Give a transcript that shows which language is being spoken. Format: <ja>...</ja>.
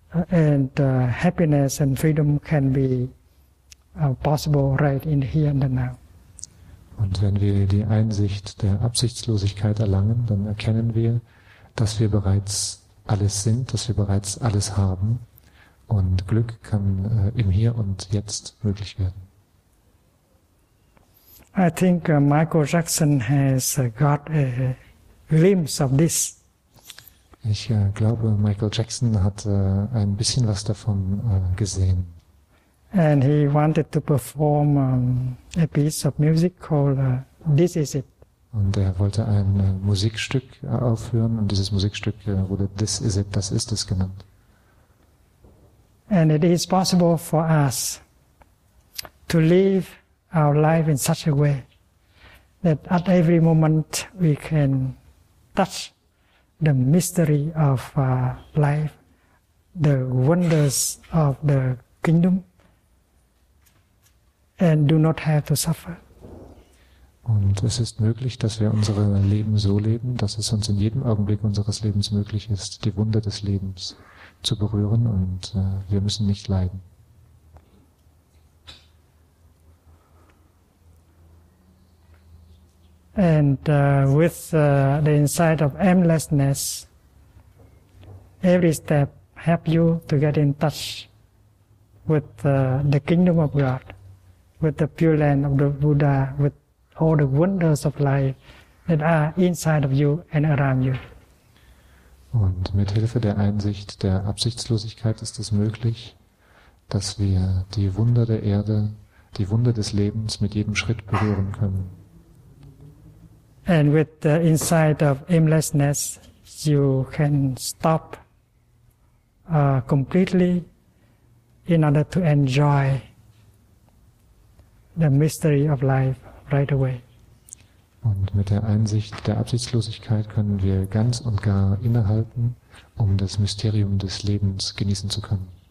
<en>and happiness and freedom can be possible right in here and now.</en> <de>Und wenn wir die Einsicht der Absichtslosigkeit erlangen, dann erkennen wir, dass wir bereits alles sind, dass wir bereits alles haben, und Glück kann im Hier und Jetzt möglich werden.</de> <en>I think Michael Jackson has got a glimpse of this.</en> <de>Ich glaube, Michael Jackson hat ein bisschen was davon gesehen.</de> <en>And he wanted to perform a piece of music called This Is It.</en> <de>Und er wollte ein Musikstück aufführen, und dieses Musikstück wurde This Is It, das ist es, genannt.</de> <en>And it is possible for us to live our life in such a way that at every moment we can touch the mystery of life, the wonders of the kingdom, and do not have to suffer.</en> <de>Und es ist möglich, dass wir unser Leben so leben, dass es uns in jedem Augenblick unseres Lebens möglich ist, die Wunder des Lebens zu berühren, und wir müssen nicht leiden.</de> <en>And with the insight of aimlessness, every step helps you to get in touch with the kingdom of God, with the pure land of the Buddha, with all the wonders of life that are inside of you and around you.</en> <de>Und mit Hilfe der Einsicht der Absichtslosigkeit ist es möglich, dass wir die Wunder der Erde, die Wunder des Lebens mit jedem Schritt berühren können.</de> <en>And with the insight of aimlessness, you can stop completely in order to enjoy the mystery of life right away.</en> <de>Und mit der Einsicht der Absichtslosigkeit können wir ganz und gar innehalten, um das Mysterium des Lebens genießen zu können.</de>